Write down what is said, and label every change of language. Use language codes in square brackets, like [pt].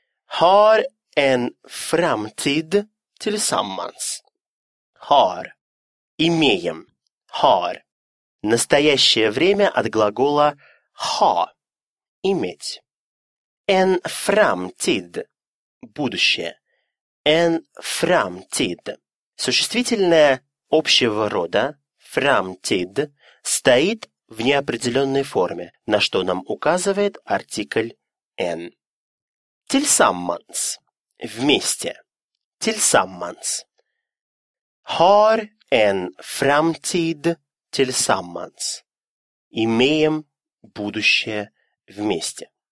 [sv] Har en framtid tillsammans. [ru] Har. Имеем. Har. Настоящее время от глагола ha. Иметь. En framtid. Будущее. En framtid. Существительное общего рода «framtid» стоит в неопределенной форме, на что нам указывает артикль «n». «Tillsammans» – «вместе». «Tillsammans» – [sv] «har en framtid tillsammans» [ru] – «имеем будущее вместе».